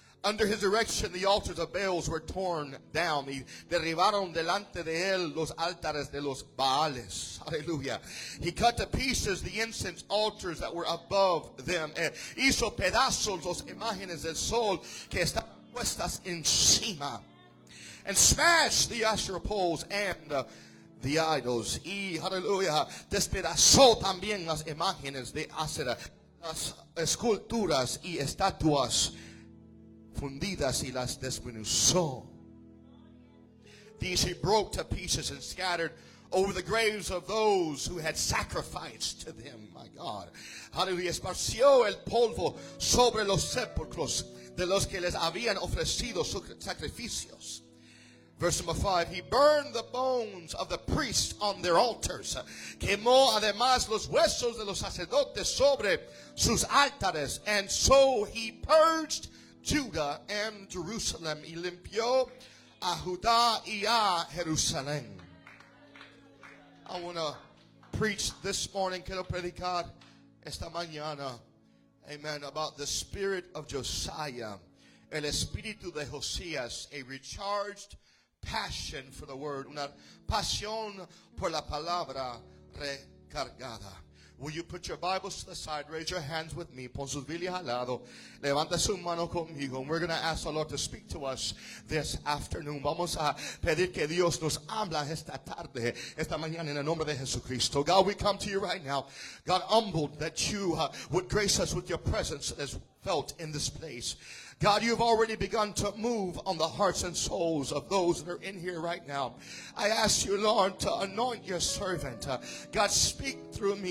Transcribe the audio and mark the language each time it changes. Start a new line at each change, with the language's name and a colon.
English: Under his direction, the altars of Baals were torn down.
Spanish: Y derribaron delante de él los altares de los Baales.
English: Hallelujah. He cut to pieces the incense altars that were above them.
Spanish: Hizo pedazos los imágenes del sol que estaban puestas encima.
English: And smashed the Asherah poles and the idols.
Spanish: Y, hallelujah, despedazó también las imágenes de Asherah. Las esculturas y estatuas fundidas y las desmenuzó.
English: These he broke to pieces and scattered over the graves of those who had sacrificed to them. My God. Hallelujah.
Spanish: Esparció el polvo sobre los sepulcros de los que les habían ofrecido sus sacrificios.
English: Verse number 5, he burned the bones of the priests on their altars.
Spanish: Quemó además los huesos de los sacerdotes sobre sus altares.
English: And so he purged Judah and Jerusalem.
Spanish: Y limpió a Judá y a Jerusalén.
English: I want to preach this morning.
Spanish: Quiero predicar esta mañana.
English: Amen. About the spirit of Josiah.
Spanish: El espíritu de Josías.
English: A recharged passion for the word,
Spanish: una pasión por la palabra recargada.
English: Will you put your Bibles to the side? Raise your hands with me.
Spanish: Pon sus Biblias al lado. Levanta su mano conmigo.
English: And we're going to ask the Lord to speak to us this afternoon.
Spanish: Vamos a pedir que Dios nos habla esta tarde, esta mañana, en el nombre de Jesucristo.
English: God, we come to you right now. God, humbled that you would grace us with your presence as felt in this place. God, you've already begun to move on the hearts and souls of those that are in here right now. I ask you, Lord, to anoint your servant. God, speak through me.